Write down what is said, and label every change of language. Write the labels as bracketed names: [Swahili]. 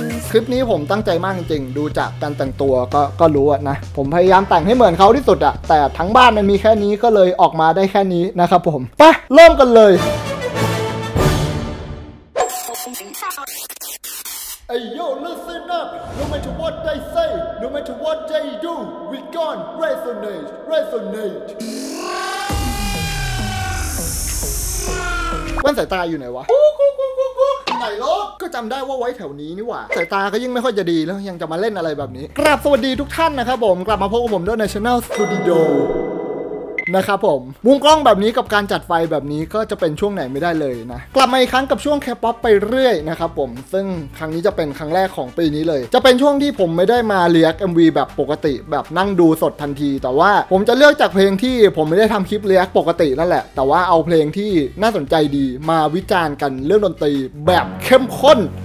[Thai] คลิปนี้ผมตั้งใจมากจริงๆดูจากการแต่งตัวก็รู้นะผมพยายามแต่งให้เหมือนเขาที่สุดอะแต่ทั้งบ้านมันมีแค่นี้ก็เลยออกมาได้แค่นี้นะครับผมไปเริ่มกันเลย [English] Ayo, listen up. No matter what they say, no matter what they do, we gon' resonate, resonate. [Thai] แว่นสายตาอยู่ไหนวะไหนล่ะก็จำได้ว่าไว้แถวนี้นี่หว่าสายตาก็ยิ่งไม่ค่อยจะดีแล้วยังจะมาเล่นอะไรแบบนี้กราบสวัสดีทุกท่านนะครับผมกลับมาพบกับผมด้วยใน Channel Studio นะครับผมมุมกล้องแบบนี้กับการจัดไฟแบบนี้ก็จะเป็นช่วงไหนไม่ได้เลยนะกลับมาอีกครั้งกับช่วงแคป๊อปไปเรื่อยนะครับผมซึ่งครั้งนี้จะเป็นครั้งแรกของปีนี้เลยจะเป็นช่วงที่ผมไม่ได้มาเรียก MV แบบปกติแบบนั่งดูสดทันทีแต่ว่าผมจะเลือกจากเพลงที่ผมไม่ได้ทำคลิปเรียกปกตินั่นแหละแต่ว่าเอาเพลงที่น่าสนใจดีมาวิจารณ์กันเรื่องดนตรีแบบเข้มข้น